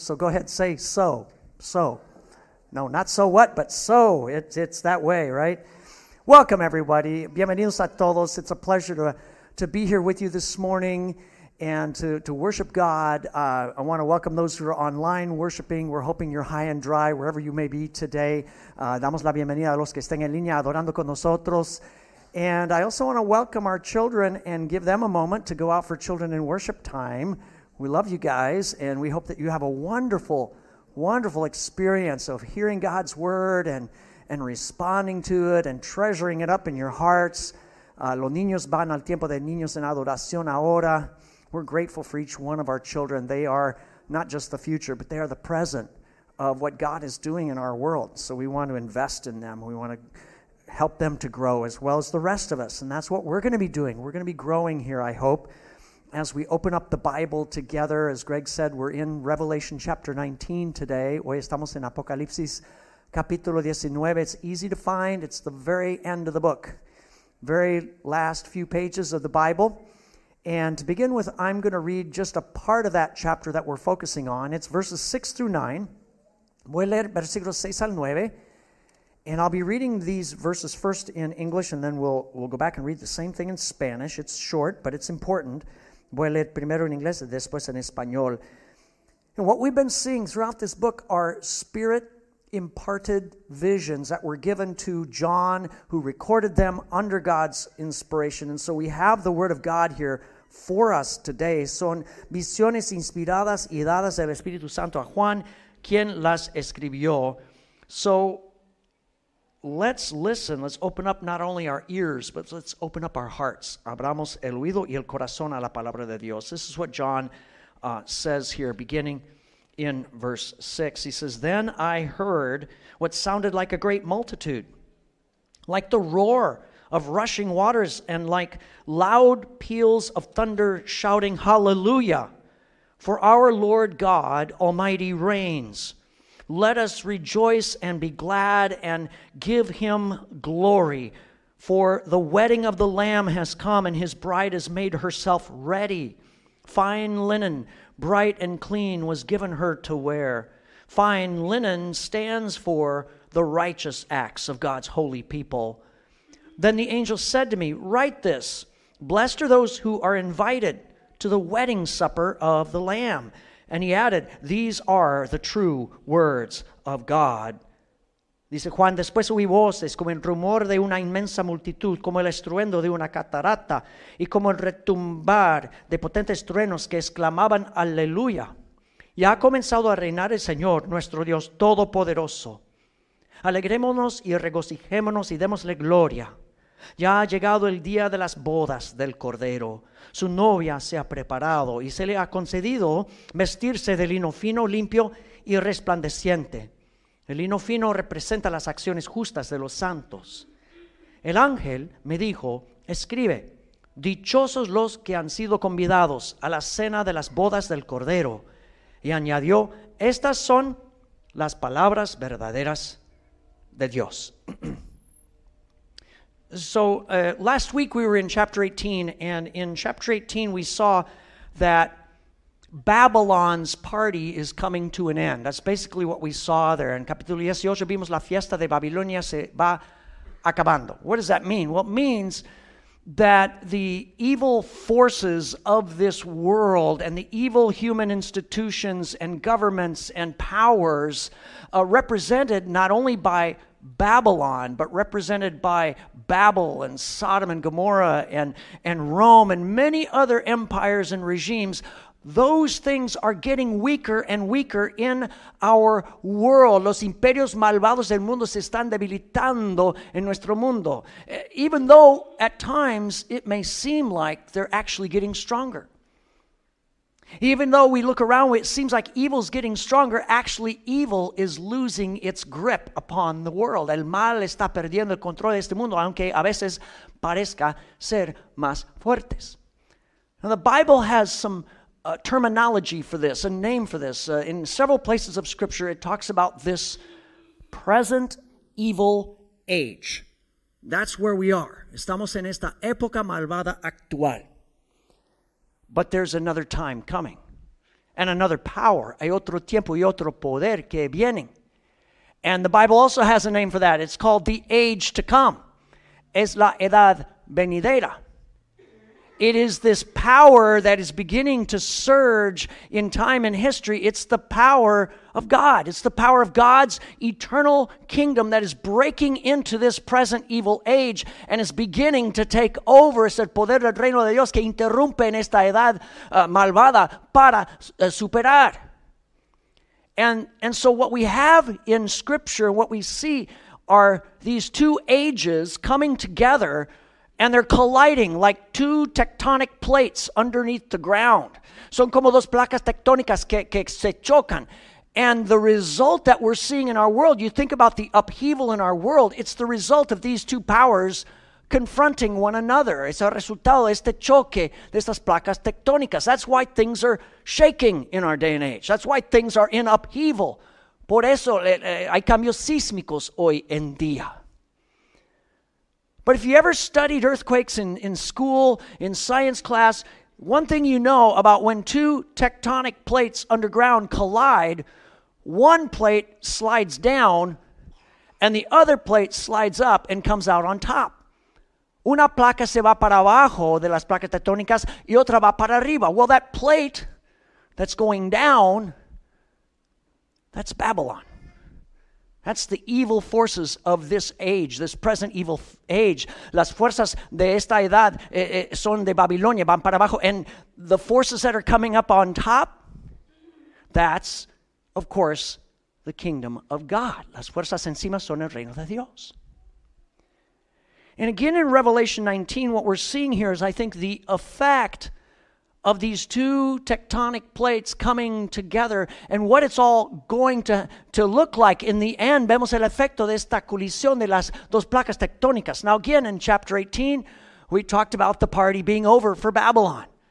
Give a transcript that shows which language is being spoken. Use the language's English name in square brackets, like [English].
[English] So go ahead, say so. So. No, not so what, but so. It's that way, right? Welcome, everybody. [Spanish] Bienvenidos a todos. [English] It's a pleasure to be here with you this morning and to worship God. I want to welcome those who are online worshiping. We're hoping you're high and dry wherever you may be today. [Spanish] Damos la bienvenida a los que estén en línea adorando con nosotros. [English] And I also want to welcome our children and give them a moment to go out for children in worship time. We love you guys, and we hope that you have a wonderful, wonderful experience of hearing God's word and responding to it and treasuring it up in your hearts. [Spanish] Los niños van al tiempo de niños en adoración ahora. [English] We're grateful for each one of our children. They are not just the future, but they are the present of what God is doing in our world. So we want to invest in them. We want to help them to grow as well as the rest of us. And that's what we're going to be doing. We're going to be growing here, I hope, as we open up the Bible together. As Greg said, we're in Revelation chapter 19 today. [Spanish] Hoy estamos en Apocalipsis capítulo 19. [English] It's easy to find. It's the very end of the book, very last few pages of the Bible. And to begin with, I'm going to read just a part of that chapter that we're focusing on. It's verses 6 through 9. [Spanish] Voy a leer versículos 6 al 9. [English] And I'll be reading these verses first in English, and then we'll go back and read the same thing in Spanish. It's short, but it's important. [Spanish] Voy a leer primero en inglés, después en español. [English] And what we've been seeing throughout this book are Spirit-imparted visions that were given to John, who recorded them under God's inspiration. And so we have the Word of God here for us today. [Spanish] Son visiones inspiradas y dadas del Espíritu Santo a Juan, quien las escribió. [English] So let's listen, let's open up not only our ears, but let's open up our hearts. [Spanish] Abramos el oído y el corazón a la palabra de Dios. [English] This is what John says here, beginning in verse 6. He says, "Then I heard what sounded like a great multitude, like the roar of rushing waters, and like loud peals of thunder shouting, 'Hallelujah! For our Lord God Almighty reigns. Let us rejoice and be glad and give him glory. For the wedding of the Lamb has come, and his bride has made herself ready. Fine linen, bright and clean, was given her to wear.' Fine linen stands for the righteous acts of God's holy people. Then the angel said to me, 'Write this: Blessed are those who are invited to the wedding supper of the Lamb.' And he added, 'These are the true words of God.'" [Spanish] Dice Juan, después oí voces como el rumor de una inmensa multitud, como el estruendo de una catarata, y como el retumbar de potentes truenos que exclamaban, "Aleluya. Ya ha comenzado a reinar el Señor, nuestro Dios Todopoderoso. Alegrémonos y regocijémonos y démosle gloria. Ya ha llegado el día de las bodas del Cordero. Su novia se ha preparado y se le ha concedido vestirse de lino fino, limpio y resplandeciente. El lino fino representa las acciones justas de los santos. El ángel me dijo, 'Escribe: Dichosos los que han sido convidados a la cena de las bodas del Cordero.' Y añadió, 'Estas son las palabras verdaderas de Dios.'" [English] So last week we were in chapter 18, and in chapter 18 we saw that Babylon's party is coming to an end. That's basically what we saw there. [Spanish] In capítulo 18 vimos la fiesta de Babilonia se va acabando. [English] What does that mean? Well, it means that the evil forces of this world and the evil human institutions and governments and powers represented not only by Babylon, but represented by Babel and Sodom and Gomorrah and Rome and many other empires and regimes, those things are getting weaker and weaker in our world. [Spanish] Los imperios malvados del mundo se están debilitando en nuestro mundo, [English] even though at times it may seem like they're actually getting stronger. Even though we look around, it seems like evil is getting stronger. Actually, evil is losing its grip upon the world. [Spanish] El mal está perdiendo el control de este mundo, aunque a veces parezca ser más fuertes. [English] Now, the Bible has some terminology for this, a name for this. In several places of Scripture, it talks about this present evil age. That's where we are. [Spanish] Estamos en esta época malvada actual. [English] But there's another time coming, and another power. [Spanish] Hay otro tiempo y otro poder que vienen. [English] And the Bible also has a name for that. It's called the age to come. [Spanish] Es la edad venidera. [English] It is this power that is beginning to surge in time and history. It's the power of God. It's the power of God's eternal kingdom that is breaking into this present evil age and is beginning to take over. [Spanish] Es el poder del reino de Dios que interrumpe en esta edad malvada para superar. [English] And so what we have in Scripture, what we see are these two ages coming together, and they're colliding like two tectonic plates underneath the ground. [Spanish] Son como dos placas tectónicas que se chocan. [English] And the result that we're seeing in our world, you think about the upheaval in our world, it's the result of these two powers confronting one another. [Spanish] Es el resultado de este choque de estas placas tectónicas. [English] That's why things are shaking in our day and age. That's why things are in upheaval. [Spanish] Por eso hay cambios sísmicos hoy en día. [English] But if you ever studied earthquakes in school, in science class, one thing you know about when two tectonic plates underground collide, one plate slides down and the other plate slides up and comes out on top. [Spanish] Una placa se va para abajo de las placas tectónicas y otra va para arriba. [English] Well, that plate that's going down, that's Babylon. That's the evil forces of this age, this present evil age. [Spanish] Las fuerzas de esta edad son de Babilonia, van para abajo. [English] And the forces that are coming up on top, that's, of course, the kingdom of God. [Spanish] Las fuerzas encima son el reino de Dios. [English] And again in Revelation 19, what we're seeing here is, I think, the effect of these two tectonic plates coming together and what it's all going to look like in the end. [Spanish] Vemos el efecto de esta colisión de las dos placas tectónicas. [English] Now again, in chapter 18, we talked about the party being over for Babylon.